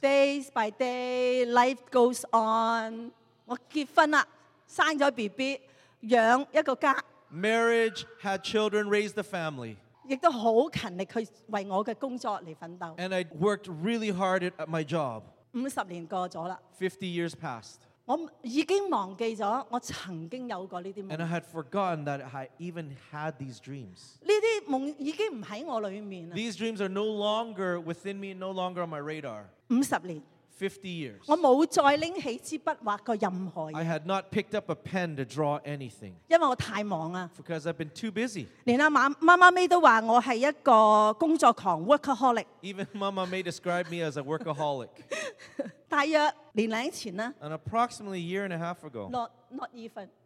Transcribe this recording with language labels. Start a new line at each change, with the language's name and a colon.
English: Days by day, life goes on.
Chinese: 我結婚了,生了BB,養一個家,
English: marriage, had children, raised a family. And I worked really hard at my job. 50 years passed.
Chinese: 我已經忘記了,我曾經有過這些夢。
English: And I had forgotten that I even had these dreams.
Chinese: 這些夢已經不在我裡面。
English: These dreams are no longer within me, no longer on my radar.
Chinese: 50年。
English: 50 years.
Chinese: 我沒有再拎起筆畫過任何東西。
English: I had not picked up a pen to draw anything.
Chinese: 因為我太忙了。
English: Because I've been too busy.
Chinese: 連媽媽咪都說我是一個工作狂, workaholic.
English: Even Mama May described me as a workaholic.
Chinese: 大約年多前呢,
English: and approximately a year and a half ago.